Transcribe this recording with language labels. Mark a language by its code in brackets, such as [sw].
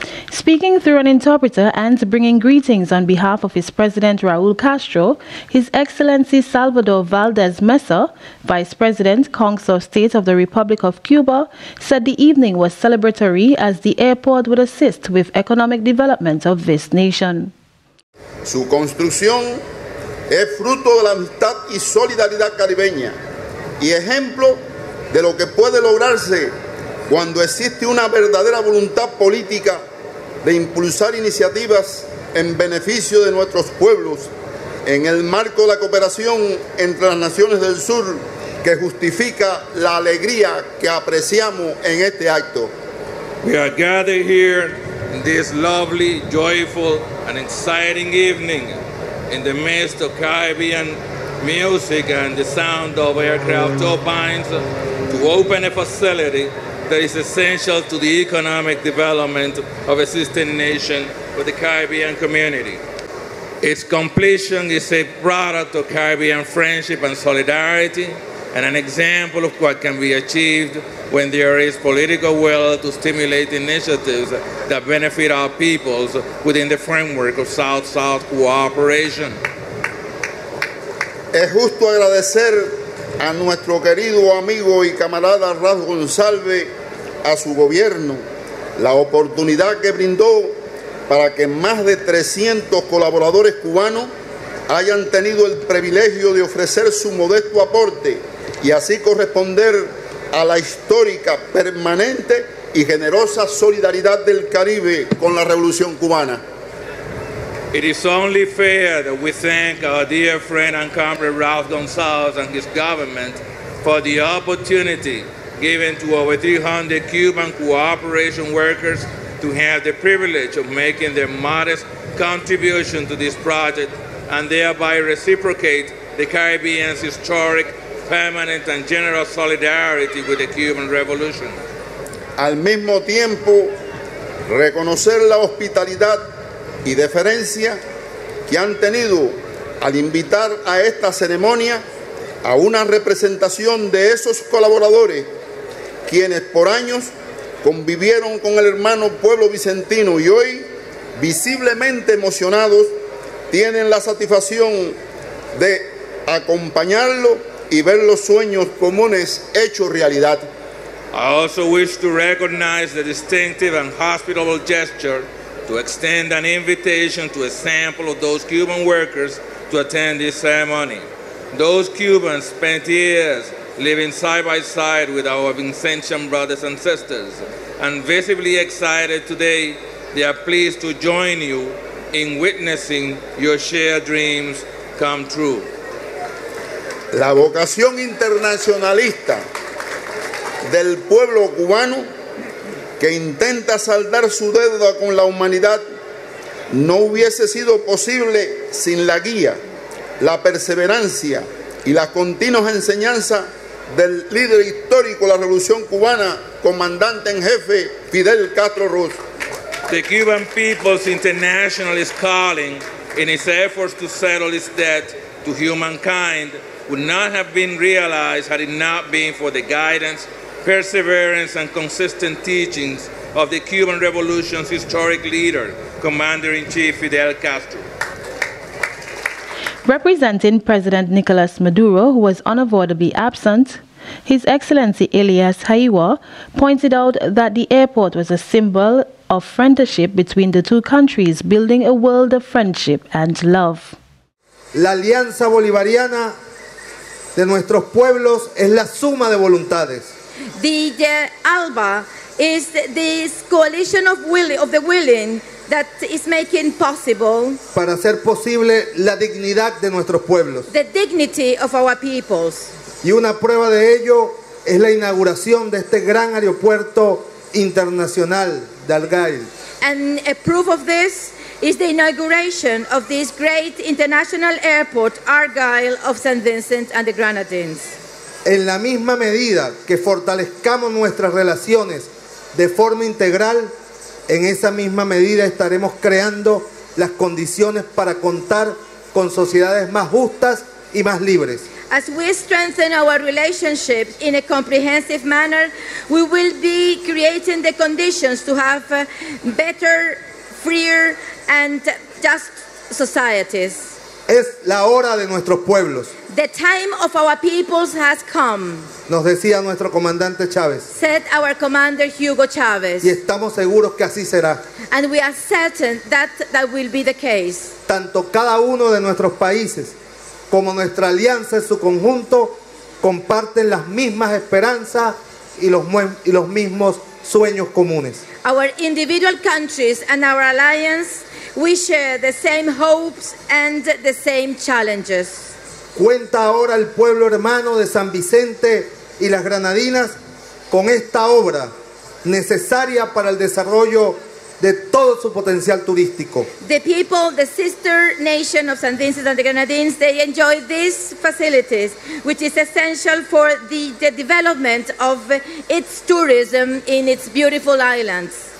[en] Speaking through an interpreter and bringing greetings on behalf of his president Raul Castro, His Excellency Salvador Valdez Mesa, Vice President, Council of State of the Republic of Cuba, said the evening was celebratory as the airport would assist with economic development of this nation. [es] Su construcción es fruto de la amistad y solidaridad caribeña y ejemplo de lo que puede lograrse cuando existe una verdadera voluntad política de impulsar iniciativas en beneficio de nuestros pueblos, en el marco de la cooperación entre las naciones del sur, que justifica la alegría que apreciamos en este acto. [en] We are gathered here this lovely, joyful, and exciting evening in the midst of Caribbean music and the sound of aircraft turbines to open a facility that is essential to the economic development of a sister nation with the Caribbean community. Its completion is a product of Caribbean friendship and solidarity, and an example of what can be achieved when there is political will to stimulate initiatives that benefit our peoples within the framework of South-South cooperation. [es] Es justo agradecer a nuestro querido amigo y camarada Raz González, a su gobierno, la oportunidad que brindó para que más de 300 colaboradores cubanos hayan tenido el privilegio de ofrecer su modesto aporte y así corresponder a la histórica, permanente y generosa solidaridad del Caribe con la Revolución Cubana. [en] It is only fair that we thank our dear friend and comrade Ralph Gonzalez and his government for the opportunity given to over 300 Cuban cooperation workers to have the privilege of making their modest contribution to this project and thereby reciprocate the Caribbean's historic, permanent and general solidarity with the Cuban Revolution. [es] Al mismo tiempo, reconocer la hospitalidad y deferencia que han tenido al invitar a esta ceremonia a una representación de esos colaboradores quienes por años convivieron con el hermano pueblo vicentino y hoy, visiblemente emocionados, tienen la satisfacción de acompañarlo y ver los sueños comunes hechos realidad. [en] I also wish to recognize the distinctive and hospitable gesture to extend an invitation to a sample of those Cuban workers to attend this ceremony. Those Cubans spent years living side by side with our Vincentian brothers and sisters, and visibly excited today, they are pleased to join you in witnessing your shared dreams come true. [es] La vocación internacionalista del pueblo cubano que intenta saldar su deuda con la humanidad no hubiese sido posible sin la guía, la perseverancia y las continuas enseñanzas del líder histórico de la Revolución Cubana, comandante en jefe Fidel Castro Ruz. [en] The Cuban people's international is calling in its efforts to settle its debt to humankind would not have been realized had it not been for the guidance, perseverance and consistent teachings of the Cuban Revolution's historic leader, Commander-in-Chief Fidel Castro. Representing President Nicolas Maduro, who was unavoidably absent, His Excellency Elias Haiwa pointed out that the airport was a symbol of friendship between the two countries, building a world of friendship and love. [es] La Alianza Bolivariana de nuestros pueblos es la suma de voluntades. [en] The ALBA is this coalition of the willing that is making possible. [es] Para hacer posible la dignidad de nuestros pueblos. [en] The dignity of our peoples. [es] Y una prueba de ello es la inauguración de este gran aeropuerto internacional de Algarve. [en] And a proof of this is the inauguration of this great international airport, Argyle of St. Vincent and the Grenadines. [es] En la misma medida que fortalezcamos nuestras relaciones de forma integral, en esa misma medida estaremos creando las condiciones para contar con sociedades más justas y más libres. [en] As we strengthen our relationship in a comprehensive manner, we will be creating the conditions to have better, freer, and just societies. [es] Es la hora de nuestros pueblos. [en] The time of our peoples has come. [es] Nos decía nuestro comandante Chávez. [en] Said our commander Hugo Chávez. [es] Y estamos seguros que así será. [en] And we are certain that that will be the case. [es] Tanto cada uno de nuestros países como nuestra alianza en su conjunto comparten las mismas esperanzas y los mismos sueños comunes. [en] Our individual countries and our alliance, we share the same hopes and the same challenges. [es] Cuenta ahora el pueblo hermano de San Vicente y las Granadinas con esta obra necesaria para el desarrollo de todo su potencial turístico. [en] The people, the sister nation of St. Vincent and the Grenadines, they enjoy these facilities, which is essential for the development of its tourism in its beautiful islands.